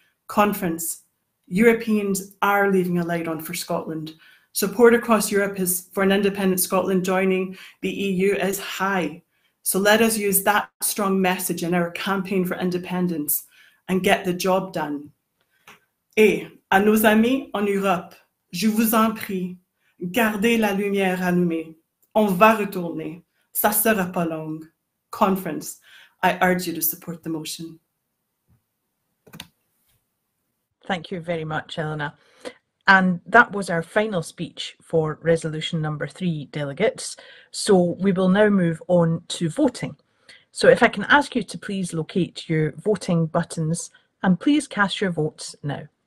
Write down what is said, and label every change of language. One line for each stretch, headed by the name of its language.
English: Conference, Europeans are leaving a light on for Scotland. Support across Europe is for an independent Scotland joining the EU is high. So let us use that strong message in our campaign for independence and get the job done.
French: Et à nos amis en Europe, je vous en prie, gardez la lumière allumée. On va retourner. Ça sera pas long.
English: Conference, I urge you to support the motion. Thank you very much, Elena. And that was our final speech for resolution number three, delegates. So we will now move on to voting. So if I can ask you to please locate your voting buttons and please cast your votes now.